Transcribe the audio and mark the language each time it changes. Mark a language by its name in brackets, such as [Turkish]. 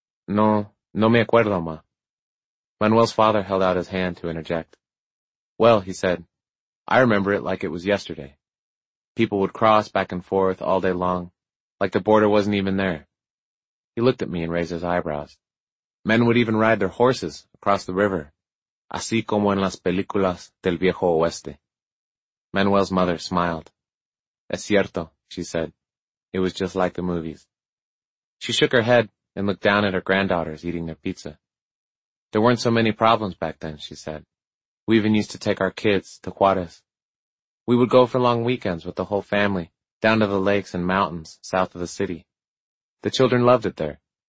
[Spanish] No, no me acuerdo, ma. [English] Manuel's father held out his hand to interject. Well, he said, I remember it like it was yesterday. People would cross back and forth all day long, like the border wasn't even there. He looked at me and raised his eyebrows. Men would even ride their horses across the river, [Spanish] así como en las películas del viejo oeste. [English] Manuel's mother smiled. [Spanish] Es cierto, [English] she said. It was just like the movies. She shook her head and looked down at her granddaughters eating their pizza. There weren't so many problems back then, she said. We even used to take our kids to Juarez. We would go for long weekends with the whole family, down to the lakes and mountains south of the city. The children loved it there.